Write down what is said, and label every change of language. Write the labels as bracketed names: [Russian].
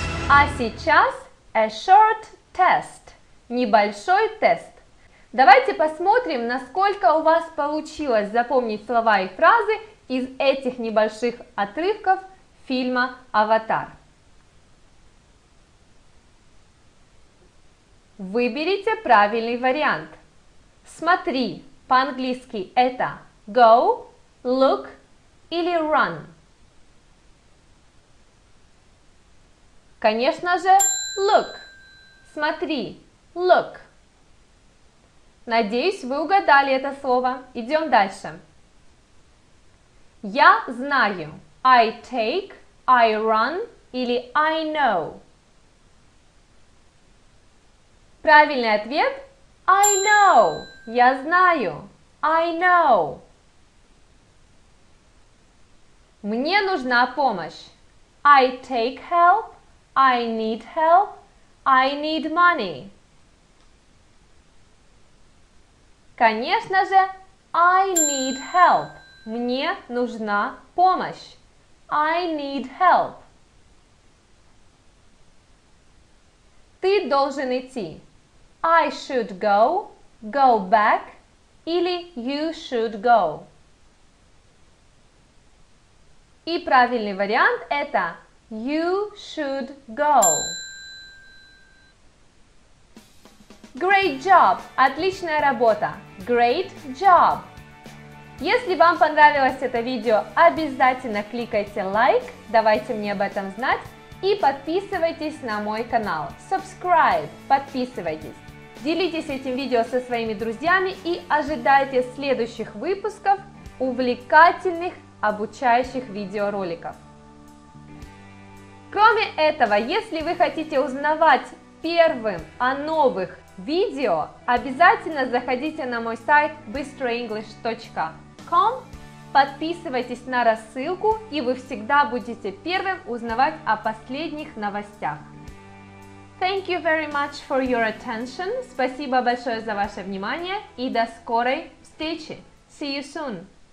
[Russian] А сейчас [English] a short test. [Russian] Небольшой тест. Давайте посмотрим, насколько у вас получилось запомнить слова и фразы из этих небольших отрывков фильма «Аватар». Выберите правильный вариант. Смотри, по-английски это go, look или run. Конечно же, look. Смотри, look. Надеюсь, вы угадали это слово. Идем дальше. Я знаю. [English] I take, I run или I know. [Russian] Правильный ответ – [English] I know, [Russian] я знаю, I know. Мне нужна помощь. [English] I take help, I need help, I need money. [Russian] Конечно же, [English] I need help, [Russian] мне нужна помощь. [English] I need help. [Russian] Ты должен идти. [English] I should go, go back, или you should go. [Russian] И правильный вариант это [English] you should go. Great job! [Russian] Отличная работа! [English] Great job! [Russian] Если вам понравилось это видео, обязательно кликайте лайк, давайте мне об этом знать, и подписывайтесь на мой канал. [English] Subscribe! [Russian] Подписывайтесь! Делитесь этим видео со своими друзьями и ожидайте следующих выпусков увлекательных обучающих видеороликов. Кроме этого, если вы хотите узнавать первым о новых видео, обязательно заходите на мой сайт bystroenglish.com Подписывайтесь на рассылку, и вы всегда будете первым узнавать о последних новостях. [English] Thank you very much for your attention. [Russian] Спасибо большое за ваше внимание и до скорой встречи. [English] See you soon.